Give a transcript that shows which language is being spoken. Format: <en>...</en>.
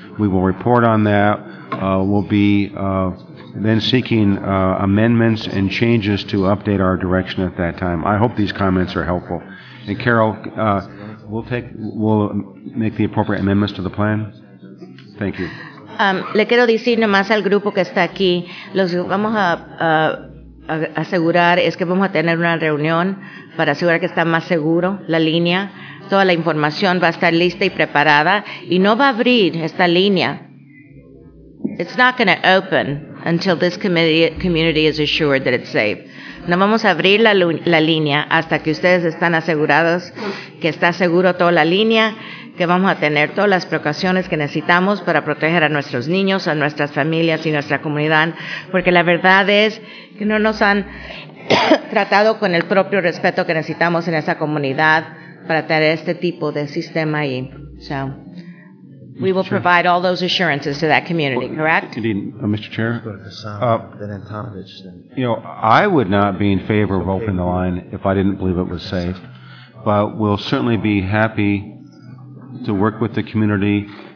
<en>We will report on that. We'll be then seeking amendments and changes to update our direction at that time. I hope these comments are helpful. And Carol, we'll make the appropriate amendments to the plan. Thank you.</en> <es>Le quiero decir nomás al grupo que está aquí, los vamos a asegurar es que vamos a tener una reunión para asegurar que está más seguro la línea. Toda la información va a estar lista y preparada y no va a abrir esta línea.</es> <en>It's not going to open until this community is assured that it's safe.</en> <es>No vamos a abrir la línea hasta que ustedes están asegurados que está seguro toda la línea, que vamos a tener todas las precauciones que necesitamos para proteger a nuestros niños, a nuestras familias y nuestra comunidad, porque la verdad es que no nos han tratado con el propio respeto que necesitamos en esa comunidad para tener este tipo de sistema ahí.</es> <en>So, we will provide all those assurances to that community, correct? Indeed, Mr. Chair. I would not be in favor of opening the line if I didn't believe it was safe, but we'll certainly be happy to work with the community.</en>